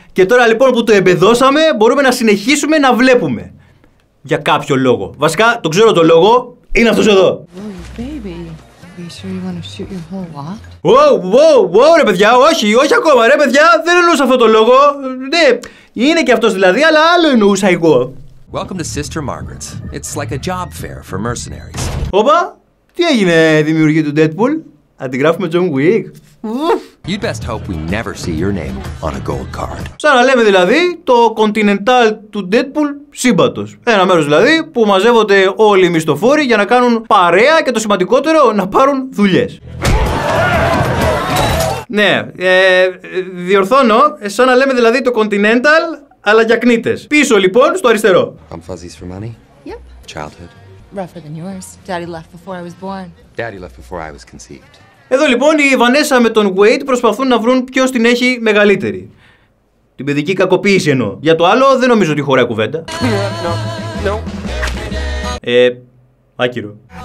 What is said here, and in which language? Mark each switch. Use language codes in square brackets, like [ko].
[el] Και τώρα λοιπόν που το εμπεδώσαμε, μπορούμε να συνεχίσουμε να βλέπουμε. Για κάποιο λόγο. Βασικά, το ξέρω το λόγο, είναι αυτός εδώ. Wow, ρε παιδιά, όχι ακόμα ρε παιδιά, δεν εννοούσα αυτό το λόγο. Ναι, είναι και αυτός δηλαδή, αλλά άλλο εννοούσα εγώ. [en] Welcome to Sister Margaret's. It's like a job fair for mercenaries. [el] Όπα, τι έγινε δημιουργή του Deadpool, αντιγράφουμε John Wick. [en] You'd best hope we never see your name on a gold card. [el] Σαν να λέμε δηλαδή το Continental του Deadpool σύμπατος. Ένα μέρος δηλαδή που μαζεύονται όλοι οι μισθοφόροι για να κάνουν παρέα και το σημαντικότερο να πάρουν δουλειές. Ναι, διορθώνω, σαν να λέμε δηλαδή το Continental, αλλά για κνήτες. Πίσω λοιπόν στο αριστερό. [en] I'm fuzzies for money. Yep. Childhood. Rougher than yours. Daddy left before I was born. Daddy left before I was conceived. [el] Εδώ λοιπόν η Βανέσα με τον Wade προσπαθούν να βρουν ποιος την έχει μεγαλύτερη. Την παιδική κακοποίηση εννοώ. Για το άλλο δεν νομίζω ότι χωράει κουβέντα. No. Άκυρο.